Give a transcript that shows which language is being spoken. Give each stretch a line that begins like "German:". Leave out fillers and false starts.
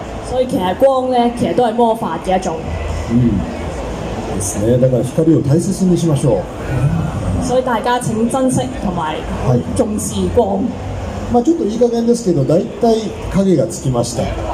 Cantonese: 所以其實光咧，其實都係魔法嘅一種。
Japanese: 嗯，ですね。だから光を大切にしましょう。
Cantonese: 所以大家請珍惜同埋重視光。
Japanese: まあちょっといい加減ですけど、大体影がつきました。